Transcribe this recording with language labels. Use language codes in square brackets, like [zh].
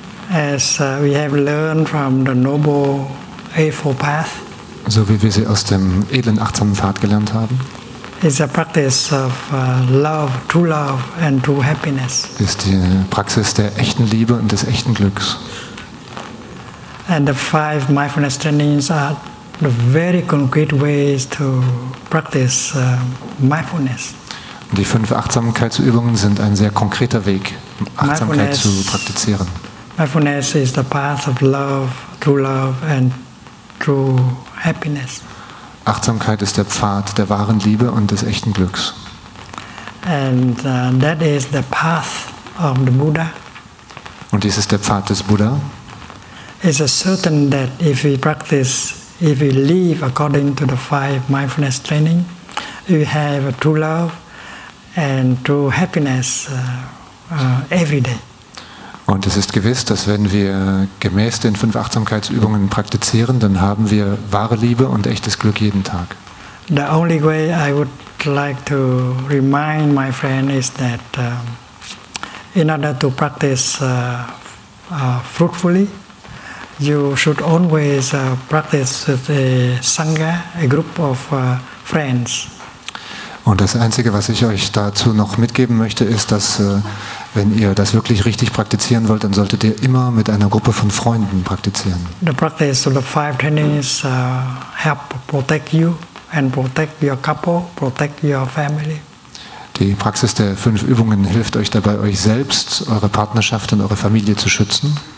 [en] As we have learned from the Noble Eightfold Path. [de] So wie wir sie aus dem edlen achtsamen Pfad gelernt haben. [en] Is a practice of love, true love and true happiness. [de] Ist die Praxis der echten Liebe und des echten Glücks. [en] And the five mindfulness trainings are the very concrete ways to practice mindfulness. [de] Die fünf Achtsamkeitsübungen sind ein sehr konkreter Weg, Achtsamkeit zu praktizieren. [en] Mindfulness is the path of love and true happiness. [de] Achtsamkeit ist der Pfad der wahren Liebe und des echten Glücks. [en] And that is the path of the Buddha. [de] Und dies ist der Pfad des Buddha. [en] It is certain that if we practice, if we live according to the five mindfulness training, we have true love and true happiness every day. [de] Und es ist gewiss, dass wenn wir gemäß den fünf Achtsamkeitsübungen praktizieren, dann haben wir wahre Liebe und echtes Glück jeden Tag. [en] The only way I would like to remind my friend is that in order to practice fruitfully, you should always practice with a sangha, a group of friends. [de] Und das Einzige, was ich euch dazu noch mitgeben möchte, ist, dass wenn ihr das wirklich richtig praktizieren wollt, dann solltet ihr immer mit einer Gruppe von Freunden praktizieren. [en] The practice of the five trainings help protect you and protect your couple, protect your family. [de] Die Praxis der fünf Übungen hilft euch dabei, euch selbst, eure Partnerschaft und eure Familie zu schützen.